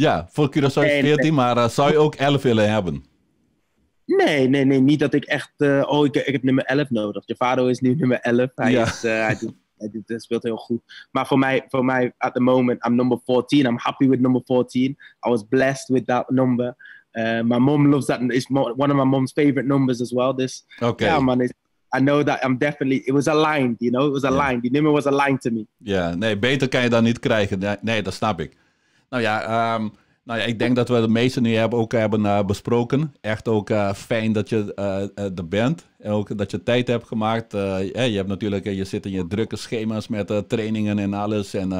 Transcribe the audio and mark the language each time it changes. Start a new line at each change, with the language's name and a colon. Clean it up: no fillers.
Dutch: Ja, voor Curaçao is 14, nee. Maar zou je ook 11 willen hebben? Nee. Niet dat ik echt... ik heb nummer 11 nodig. Gevaro is nu nummer 11. Hij speelt heel goed. Maar voor mij,
English: at the moment, I'm number 14. I'm happy with number 14. I was blessed with that number. My mom loves that. It's one of my mom's favorite numbers as well. Okay. Yeah, man. I know that I'm definitely... It was aligned, you know? It was aligned. Yeah.
Dutch: Die nummer was
English: aligned to me.
Dutch: Ja, nee, beter kan je dan niet krijgen. Nee, dat snap ik. Nou ja, ik denk dat we de meeste nu ook hebben besproken. Echt ook fijn dat je er bent. En ook dat je tijd hebt gemaakt. Je hebt natuurlijk, je zit in je drukke schema's met trainingen en alles.